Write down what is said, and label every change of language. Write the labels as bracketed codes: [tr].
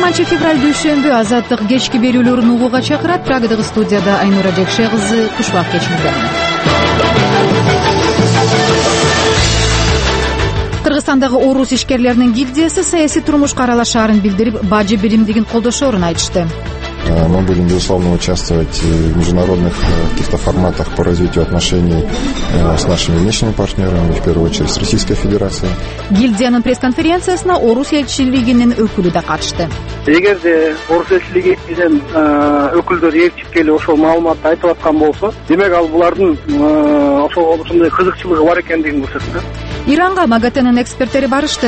[ky] Февраль дүйшөмбү азаттык кечки берүүлөрүн угууга чакырат. Прагадагы студияда Айнура Жекше кызы кушбак кечинде. Кыргызстандагы орус ишкерлеринин гильдиясы саясий турмушка аралашарын билдирип, бажы билимдигин колдошорун айтышты. [ru] Мы будем, безусловно, участвовать в международных каких-то форматах по развитию отношений с нашими внешними партнерами, в первую очередь с Российской Федерацией. [ky] Гильдиянын пресс-конференциясына орус элчилигинин өкүлү да катышты. Эгерде орус элчилигинин өкүлдөрү ээрчип келип ошол маалыматты айтып аткан болсо, демек ал булардын ошондой кызыкчылыгы бар экендигин көрсөттү. Иранга МАГАТЭнин эксперттери барышты.